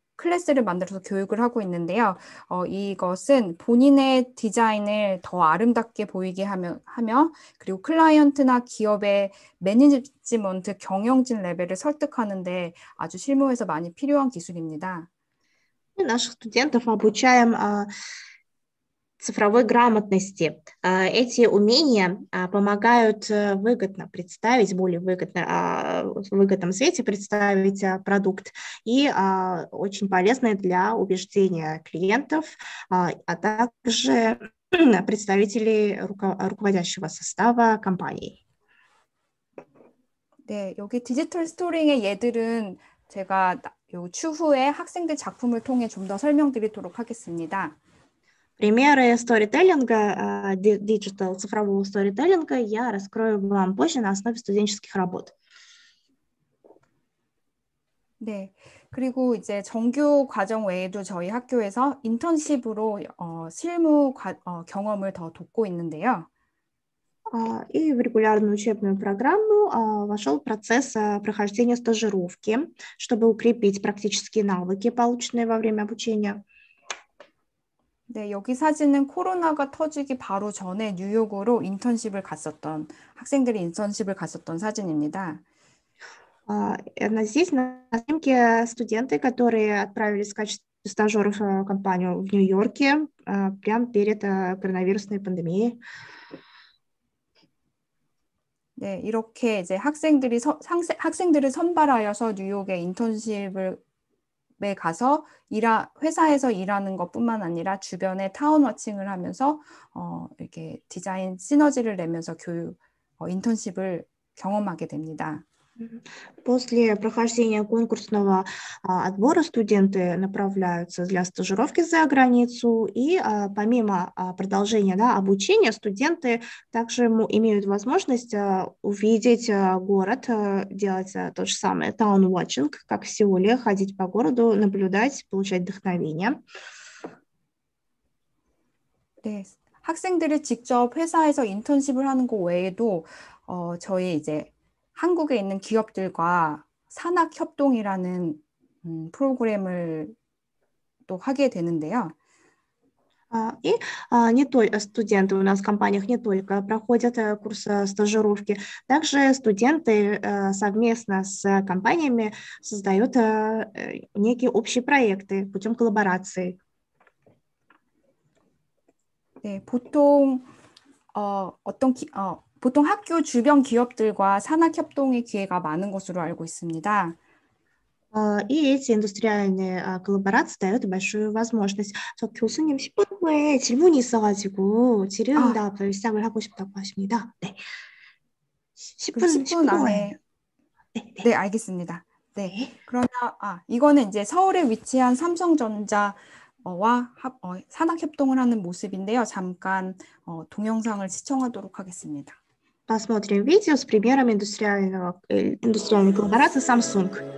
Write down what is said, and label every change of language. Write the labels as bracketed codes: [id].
[ko] 클래스를 만들어서 교육을 하고 있는데요. 이것은 본인의 디자인을 더 아름답게 보이게 하며 그리고 클라이언트나 기업의 매니지먼트 경영진 레벨을 설득하는 데 아주 실무에서 많이 필요한 기술입니다. [ru] наших студентов обучаем цифровой грамотности. Эти умения помогают выгодно представить, более выгодном свете представить продукт и очень полезны для убеждения клиентов, а также представителей руководящего состава компании. [ko] 네, 여기 디지털 스토링의 예들은 제가 추후에 학생들 작품을 통해 좀더 설명드리도록 하겠습니다. [ru] Примеры сторителлинга, digital, цифрового сторителлинга я раскрою вам позже на основе студенческих работ. [ko] 네, 그리고 이제 정규 과정 외에도 저희 학교에서 인턴십으로 실무 경험을 더 돕고 있는데요. [ru] И в регулярную учебную программу вошел процесс прохождения стажировки, чтобы укрепить практические навыки, полученные во время обучения. [ko] 네, 여기 사진은 코로나가 터지기 바로 전에 뉴욕으로 인턴십을 갔었던 학생들이 인턴십을 갔었던 사진입니다. [ru] Здесь на снимке студенты, которые отправились в качестве стажеров в компанию в Нью-Йорке, прямо перед коронавирусной пандемией. [ko] 네, 이렇게 이제 학생들을 선발하여서 뉴욕에 인턴십을 가서 회사에서 일하는 것뿐만 아니라 주변에 타운워칭을 하면서 이렇게 디자인 시너지를 내면서 인턴십을 경험하게 됩니다. [ru] После прохождения конкурсного отбора студенты направляются для стажировки за границу, и помимо продолжения, да, обучения, студенты также имеют возможность увидеть город, делать то же самое town-watching, как в Сеуле, ходить по городу, наблюдать, получать вдохновение. [en] Yes. [ko] 학생들이 직접 회사에서 인턴십을 하는 것 외에도 저희 이제 한국에 있는 기업들과 산학협동이라는 프로그램을 또 하게 되는데요. [ru] Не только студенты у нас в компаниях не только проходят курс стажировки, также студенты совместно с компаниями создают некие общие проекты путем коллаборации. [ko] 네, 보통 어떤 기, 어 보통 학교 주변 기업들과 산학협동의 기회가 많은 것으로 알고 있습니다. [ru] И эти индустриальные коллаборации дают большую возможность. [ko] 저 교수님 10분 후에 질문이 있어가지고 질의응답을 시작을 하고 싶다고 하십니다. 네. 그 10분 10분 후에. 안에 네, 알겠습니다. 네. 그러면 이거는 이제 서울에 위치한 삼성전자 와 산학협동을 하는 모습인데요. 잠깐 동영상을 시청하도록 하겠습니다. [ru] Посмотрим видео с примером индустриальной коллаборации Samsung.